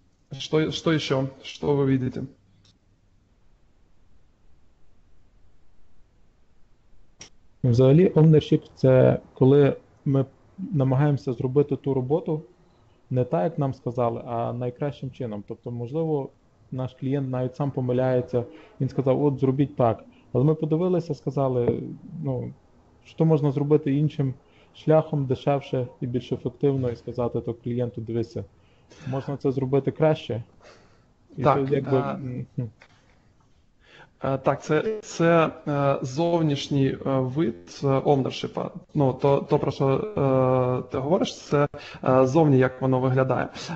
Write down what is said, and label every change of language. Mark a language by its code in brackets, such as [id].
[ru] Что еще? Что вы видите? [uk] Взагалі, ownership – це коли ми намагаємося зробити ту роботу не так, як нам сказали, а найкращим чином. Тобто, можливо, наш клієнт навіть сам помиляється, він сказав, от зробіть так. Але ми подивилися, сказали, ну, що можна зробити іншим шляхом, дешевше і більш ефективно, і сказати то клієнту, дивися, можна це зробити краще. І так, тут, якби... Так, це зовнішній вид ownership. Ну, то про що ти говориш, це зовні, як воно виглядає.